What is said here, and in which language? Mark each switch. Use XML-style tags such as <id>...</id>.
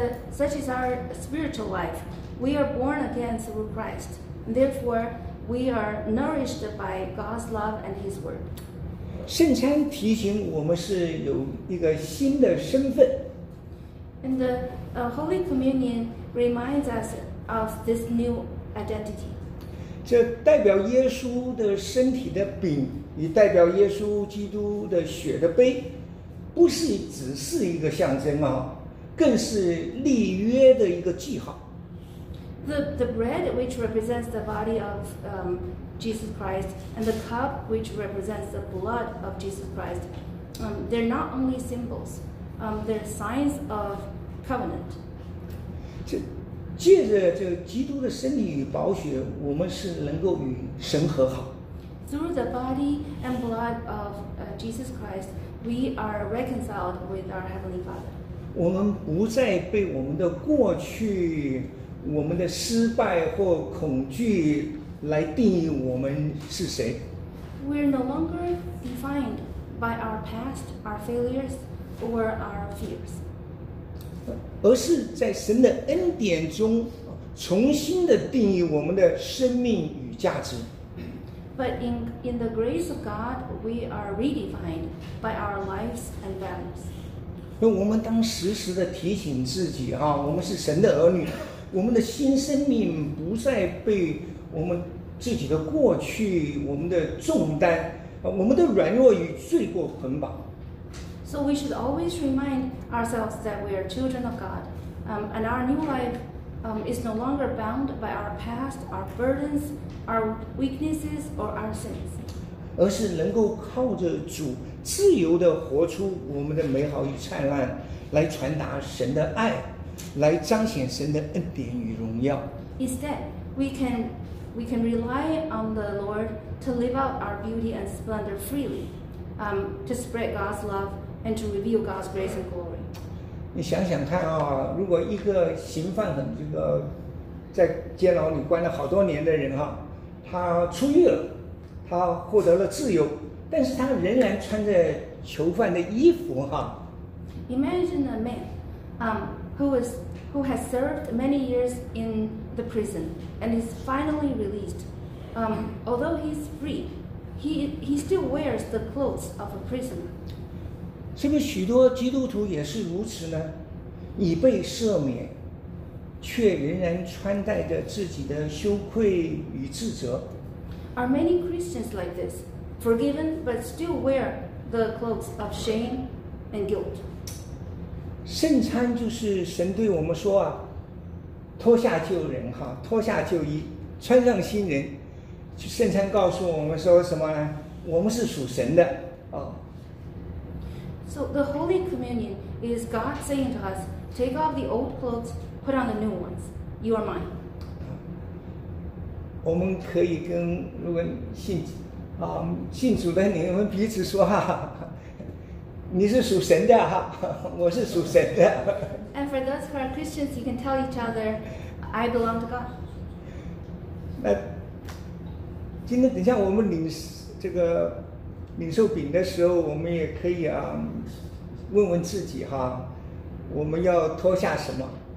<en>Such is our spiritual life. We are born again through Christ. Therefore, we are nourished by God's love and His word.</en> <zh>圣餐提醒我们是有一个新的身份。</zh> <en>And the Holy Communion reminds us of this new identity.</en> <zh>这代表耶稣的身体的饼，也代表耶稣基督的血的杯，不是只是一个象征啊，更是立约的一个记号。</zh> <en>The bread which represents the body of Jesus Christ and the cup which represents the blood of Jesus Christ, they're not only symbols, they're signs of covenant.</en> <zh>借着这基督的身体与宝血，我们是能够与神和好。</zh> <en>Through the body and blood of Jesus Christ, we are reconciled with our Heavenly Father.</en> <zh>我们不再被我们的过去我们的失败或恐惧来定义我们是谁。</zh> <en>We're no longer defined by our past, our failures, or our fears.</en> <zh>而是在神的恩典中重新的定义我们的生命与价值。</zh> <en>But in the grace of God, we are redefined by our lives and values.</en> <zh>所以我们当时时的提醒自己啊，我们是神的儿女。我们的新生命不再被我们自己的过去、我们的重担、我们的软弱与罪过捆绑。</zh> <en>So we should always remind ourselves that we are children of God, and our new life is no longer bound by our past, our burdens, our weaknesses, or our sins.</en> <zh>而是能够靠着主自由地活出我们的美好与灿烂，来传达神的爱。来彰显神的恩典与荣耀。</zh> <en>Instead, we can rely on the Lord to live out our beauty and splendor freely, to spread God's love and to reveal God's grace and glory.</en> <zh>你想想看啊，如果一个刑犯很这个在监牢里关了好多年的人哈，他出狱了，他获得了自由，但是他仍然穿着囚犯的衣服哈。</zh> <en>Imagine a man, who has served many years in the prison and is finally released. Although he's free, he still wears the clothes of a prisoner.</en> <zh>是不是许多基督徒也是如此呢？已被赦免，却仍然穿戴着自己的羞愧与自责。</zh> <en>Are many Christians like this, forgiven but still wear the clothes of shame and guilt?</en> <zh>圣餐就是神对我们说啊，脱下旧人哈，脱下旧衣，穿上新人。圣餐告诉我们说什么呢？我们是属神的啊。</zh> <en>So the Holy Communion is God saying to us, "Take off the old clothes, put on the new ones. You are mine."</en> <zh>我们可以跟如果信啊信主的你们彼此说哈、啊，你是属神的哈、啊，我是属神的。</zh> <en>And for those who are Christians, you can tell each other, I belong to God.</en> <zh>那今天等一下我们领这个领受饼的时候，我们也可以啊问问自己哈、啊，我们要脱下什么？</zh>